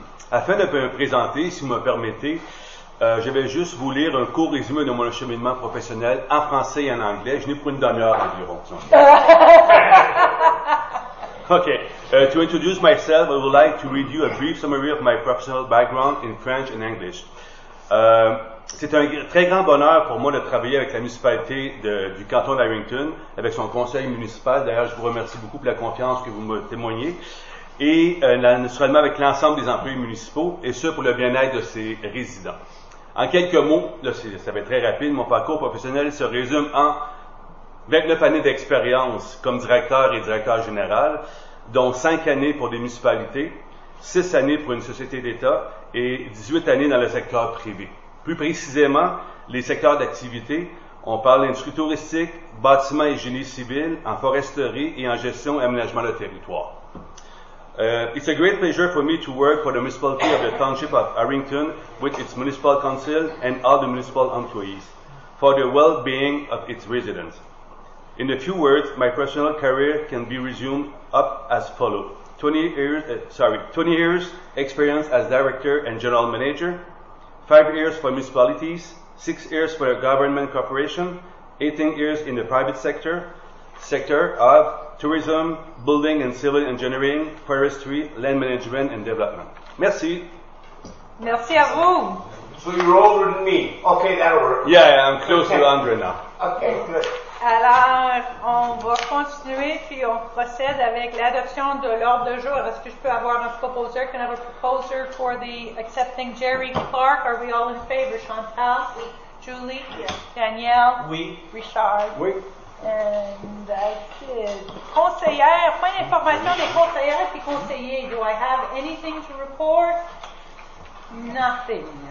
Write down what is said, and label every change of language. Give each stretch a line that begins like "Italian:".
French: Afin de me présenter, si vous me permettez, je vais juste vous lire un court résumé de mon cheminement professionnel en français et en anglais. Je n'ai pour une demi-heure environ.
English: Okay. To introduce myself, I would like to read you a brief summary of my professional background in French and English.
French: C'est un très grand bonheur pour moi de travailler avec la municipalité du canton d'Harrington, avec son conseil municipal. D'ailleurs, je vous remercie beaucoup pour la confiance que vous me témoignez. Et naturellement avec l'ensemble des employés municipaux, et ce, pour le bien-être de ses résidents. En quelques mots, là, ça va être très rapide, mon parcours professionnel se résume en 29 années d'expérience comme directeur et directeur général, dont 5 années pour des municipalités, 6 années pour une société d'État et 18 années dans le secteur privé. Plus précisément, les secteurs d'activité, on parle d'industrie touristique, bâtiment et génie civil, en foresterie et en gestion et aménagement de territoire.
English: It's a great pleasure for me to work for the municipality of the Township of Harrington with its municipal council and all the municipal employees for the well-being of its residents. In a few words, my professional career can be resumed up as follows. 20 years experience as director and general manager, 5 years for municipalities, 6 years for a government corporation, 18 years in the private sector of tourism, building and civil engineering, forestry, land management and development.
French: Merci. Merci à vous.
English: So you're older than me. Okay, that'll work. Yeah, I'm close to Andre now. Okay, good.
French: Alors, on va continuer, puis on procède avec l'adoption de l'ordre de jour. Est-ce que je peux avoir un proposer?
English: Can I have a proposer for the accepting Jerry Clark? Are we all in favor? Chantal?
French: Oui.
English: Julie? Yes. Danielle?
French: Oui.
English: Richard?
French: Oui.
English: And that's it.
French: Conseillère, point d'information des conseillères puis conseillers.
English: Do I have anything to report? Nothing.